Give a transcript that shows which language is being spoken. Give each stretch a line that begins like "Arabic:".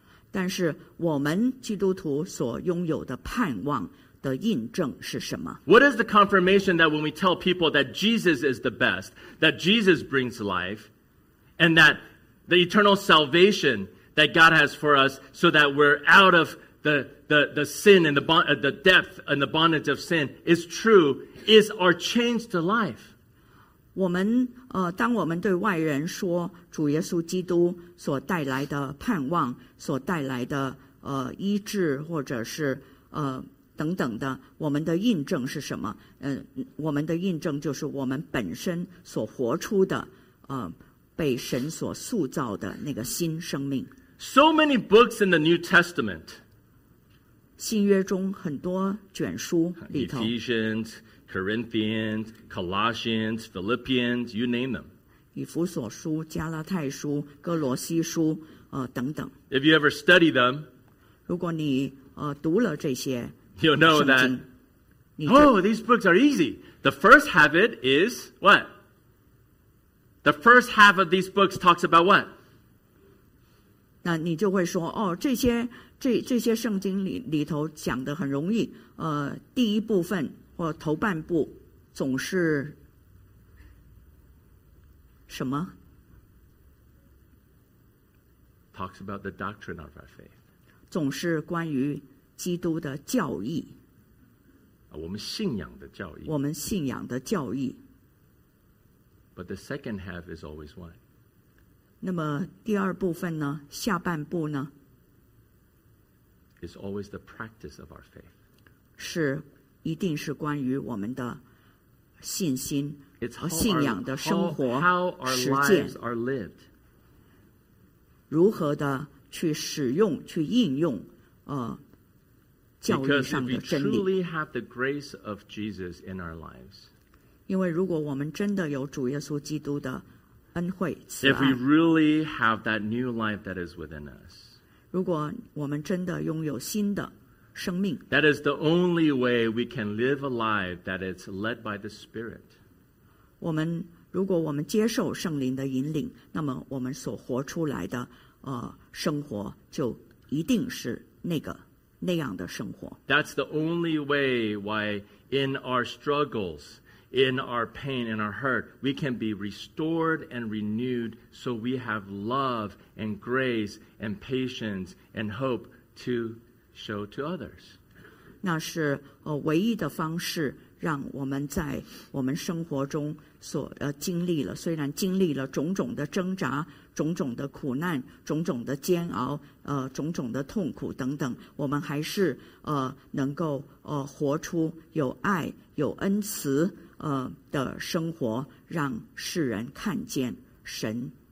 Chinese: 但是我们基督徒所拥有的盼望的印证是什么？
English: What is the confirmation that when we tell people that Jesus is the best, that Jesus brings life, and that the eternal salvation that God has for us, so that we're out of the sin and the depth and the bondage of sin, is true, is our changed life?
Chinese: 我们当我们对外人说主耶稣基督所带来的盼望，所带来的医治，或者是等等的，我们的印证是什么？我们的印证就是我们本身所活出的，被神所塑造的那个新生命。
English: So many books in the New Testament.
Chinese: 新约中很多卷书里头。
English: Ephesians, Corinthians, Colossians, Philippians, you name them.
Chinese: 以弗所书、加拉太书、哥罗西书，等等。
English: If you ever study them.
Chinese: 如果你读了这些。
English: You'll know that, oh, these books are easy. The first habit is what? The first half of these books talks about what?
Chinese: 那你就会说，哦，这些圣经里头讲的很容易。第一部分或头半部总是什么？
English: Talks about the doctrine of our faith.
Chinese: 总是关于基督的教义，我们信仰的教义，我们信仰的教义。
English: But the second half is always what?
Chinese: 那么第二部分呢？下半部呢？
English: It's always the practice of our faith.
Chinese: 是，一定是关于我们的信心和信仰的生活实践。
English: How our lives are lived.
Chinese: 如何的去使用、去应用，
English: Because if we truly have the grace of Jesus in our lives,
Chinese: 因为如果我们真的有主耶稣基督的恩惠慈爱，
English: if we really have that new life that is within us,
Chinese: 如果我们真的拥有新的生命，
English: that is the only way we can live a life that is led by the Spirit.
Chinese: 我们如果我们接受圣灵的引领，那么我们所活出来的生活就一定是那个。那样的生活。
English: That's the only way why in our struggles, in our pain, in our hurt, we can be restored and renewed so we have love and grace and patience and hope to show to others.
Chinese: 那是唯一的方式让我们在我们生活中所经历了，虽然经历了种种的挣扎、种种的苦难、种种的煎熬、种种的痛苦等等，我们还是能够活出有爱、有恩慈的生活，让世人看见神。